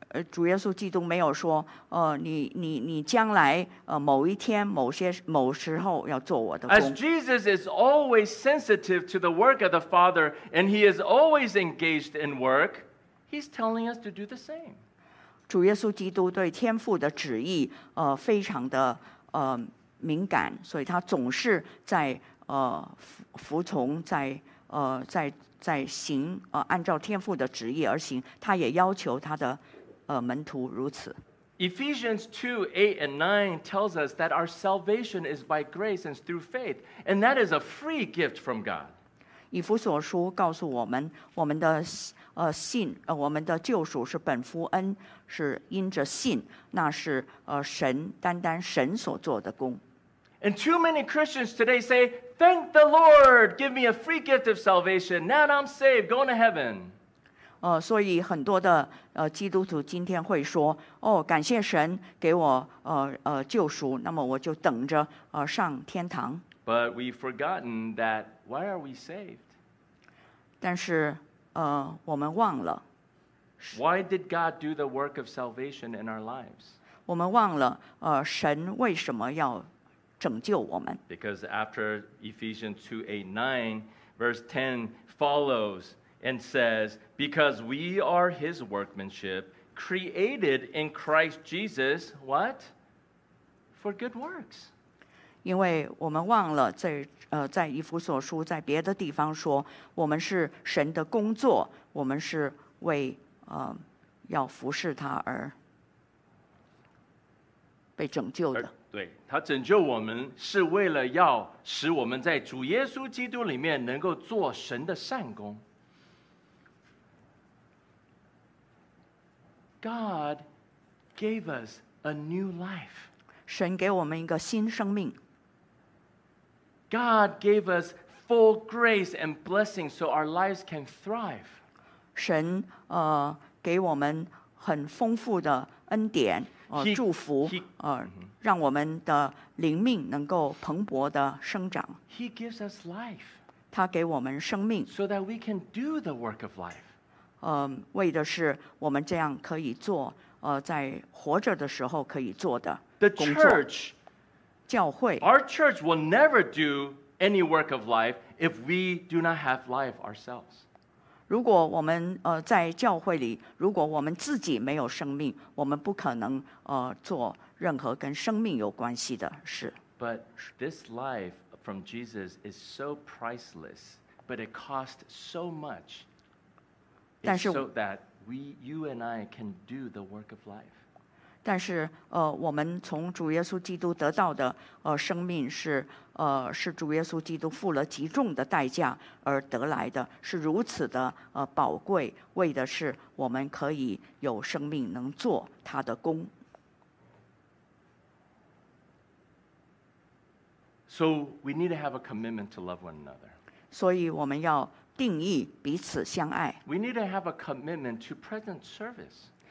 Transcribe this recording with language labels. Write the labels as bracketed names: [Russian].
[Chinese] 主耶稣基督没有说你将来某一天某时候要做我的工。 [English] As Jesus is always sensitive to the work of the Father and he is always engaged in work, he's telling us to do the same. [Chinese] 主耶稣基督对天父的旨意非常的敏感，所以他总是在服从在在行按照天父的旨意而行，他也要求他的门徒如此。 [English] Ephesians 2, 8 and 9 tells us that our salvation is by grace and through faith, and that is a free gift from God. [Chinese] 以弗所书告诉我们，我们的信我们的救赎是本乎恩，是因着信，那是神单单神所做的工。 [English] And too many Christians today say, Thank the Lord, give me a free gift of salvation. Now I'm saved, going to heaven. [Chinese] 所以很多的基督徒今天会说，哦，感谢神给我救赎，那么我就等着上天堂。 [English] But we've forgotten that why are we saved? [Chinese] 但是我们忘了。 [English] Why did God do the work of salvation in our lives? [Chinese] 我们忘了神为什么要拯救我们。 [English] Because after Ephesians 2:8-9, verse 10 follows and says, because we are his workmanship, created in Christ Jesus, what? For good works. [Chinese] 因为我们忘了在在以弗所书在别的地方说，我们是神的工作，我们是为要服侍他而被拯救的。对，他拯救我们是为了要使我们在主耶稣基督里面能够做神的善工。 [English] God gave us a new life. [Chinese] 神给我们一个新生命。 [English] God gave us full grace and blessing so our lives can thrive. [Chinese] 神给我们很丰富的恩典祝福让我们的灵命能够蓬勃的生长。 [English] He gives us life. [Chinese] 他给我们生命。 [English] So that we can do the work of life. [Chinese] 为的是我们这样可以做在活着的时候可以做的工作。 [English] The church, [Chinese] 教会。 [English] Our church will never do any work of life if we do not have life ourselves. [Chinese] 如果我们在教会里，如果我们自己没有生命，我们不可能做任何跟生命有关系的事。 [English] But this life from Jesus is so priceless, but it costs so much. So that we, you and I, can do the work of life. [Chinese] 但是我们从主耶稣基督得到的生命是主耶稣基督付了极重的代价而得来的，是如此的宝贵，为的是我们可以有生命能做他的工。 [English] So we need to have a commitment to love one another. [Chinese] 所以我们要定义彼此相爱。 [English] We need to have a commitment to present service.